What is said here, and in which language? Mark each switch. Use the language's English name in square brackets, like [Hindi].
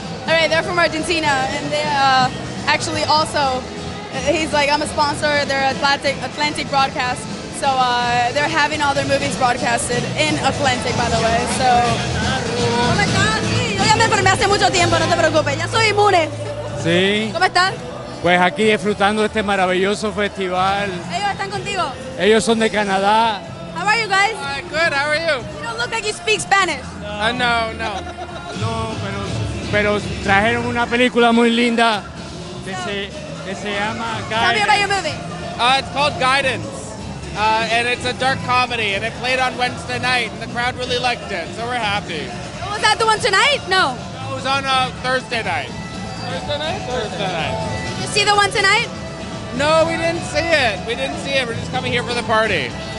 [English] All right, they're from Argentina, and they actually also, he's like, I'm a sponsor, they're Atlantic Broadcast, so they're having all their movies broadcasted in Atlantic, by the way, so. Oh my God, [Spanish] sí, yo ya me enfermé hace mucho tiempo, no te preocupes, ya soy inmune. Sí. ¿Cómo están? Pues aquí disfrutando de este maravilloso festival. Ellos están contigo. Ellos son de Canadá. [English] How are you guys? Good, how are you? You don't look like you speak Spanish. No. [Spanish] No, pero trajeron una película muy linda que se llama Guidance. [English] Tell me about your movie. It's called Guidance. And it's a dark comedy and it played on Wednesday night and the crowd really liked it, so we're happy. Was that the one tonight? No. No, it was on Thursday night. Thursday night. See the one tonight? No, we didn't see it. We're just coming here for the party.